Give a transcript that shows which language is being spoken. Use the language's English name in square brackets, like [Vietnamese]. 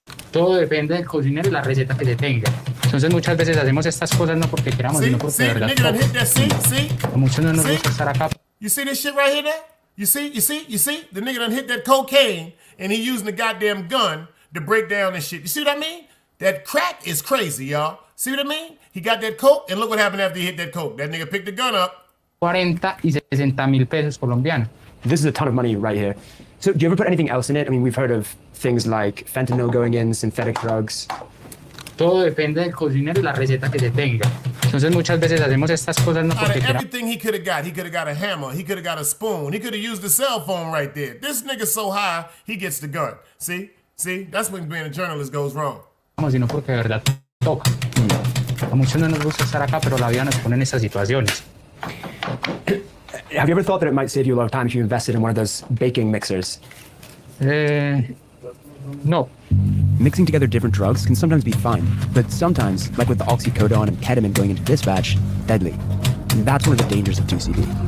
[Spanish] Todo depende del cocinero y la receta que le tenga. Entonces muchas veces hacemos estas cosas no porque queramos, sino porque de verdad. Muchos no nos gusta estar acá. [English] You see this shit right here, there? You see? The nigga done hit that cocaine and he using the goddamn gun to break down this shit. You see what I mean? That crack is crazy, y'all. See what I mean? He got that coke and look what happened after he hit that coke. That nigga picked the gun up. [Spanish] 40 y 60 mil pesos colombianos. [English] This is a ton of money right here. So do you ever put anything else in it? I mean, we've heard of things like fentanyl going in, synthetic drugs. [Spanish] Todo depende del cocinero y la receta que se tenga. Entonces muchas veces hacemos estas cosas no porque... [English] Out of everything he could have got a hammer, he could have got a spoon, he could have used the cell phone right there. This nigga so high, he gets the gun. See? See? That's when being a journalist goes wrong. [Spanish] Sino porque de verdad toca. A muchos no nos gusta estar acá, pero la vida nos pone en esas situaciones. [English] Have you ever thought that it might save you a lot of time if you invested in one of those baking mixers? [Spanish] No. [English] Mixing together different drugs can sometimes be fine, but sometimes, like with the oxycodone and ketamine going into this batch, deadly. And that's one of the dangers of 2CD.